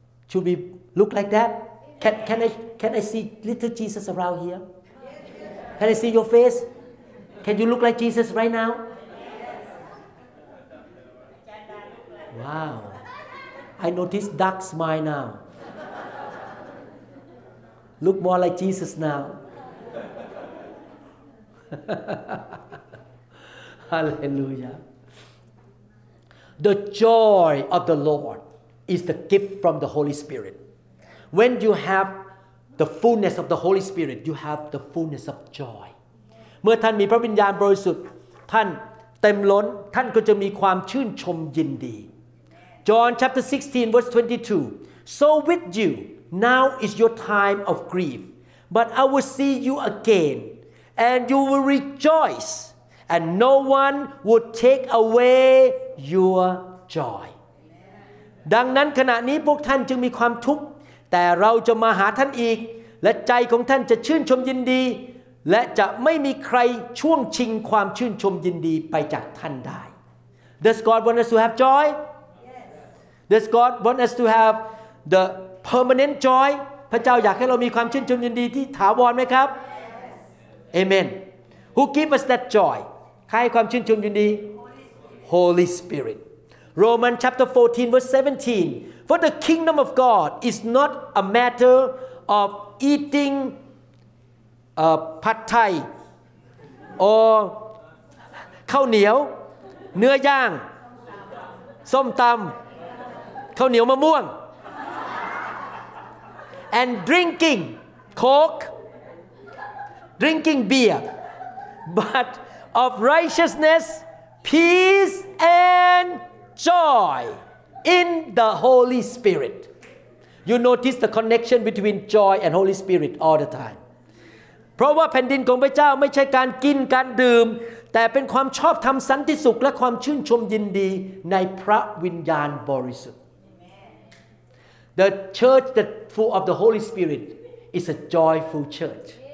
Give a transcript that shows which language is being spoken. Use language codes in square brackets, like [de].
[en] Should we look like that can I see little Jesus around here Can I see your face Can you look like Jesus right now Wow I notice dark smile now Look more like Jesus nowHallelujah. The joy of the Lord is the gift from the Holy Spirit. When you have the fullness of the Holy Spirit, you have the fullness of joy. [th] เมื่อท่านมีพระวิญญาณบริสุทธิ์ท่านเต็มล้นท่านก็จะมีความชื่นชมยินดี [en] John chapter 16 verse 22. So with you now is your time of grief, but I will see you again. And you will rejoice, and no one would take away your joy. [th] ดังนั้นขณะนี้พวกท่านจึงมีความทุกข์แต่เราจะมาหาท่านอีกและใจของท่านจะชื่นชมยินดีและจะไม่มีใครช่วงชิงความชื่นชมยินดีไปจากท่านได้ [en] Does God want us to have joy? Yes. Does God want us to have the permanent joy? [th] พระเจ้าอยากให้เรามีความชื่นชมยินดีที่ถาวรไหมครับ [en] Amen. Who give us that joy? [th] ใครความชื่นชมยินดี [en] Holy Holy Spirit. Romans chapter 14 verse 17. For the kingdom of God is not a matter of eating pad thai or khao niao, neua yang, som tam, khao niao ma muang, and drinking coke, drinking beer, but of righteousness, peace and joy in the Holy Spirit. You notice the connection between joy and Holy Spirit all the time. [th] เพราะว่าแผ่นดินของพระเจ้าไม่ใช่การกินการดื่มแต่เป็นความชอบธรรมสันติสุขและความชื่นชมยินดีในพระวิญญาณบริสุทธิ์ [en] The church that full of the Holy Spirit is a joyful church.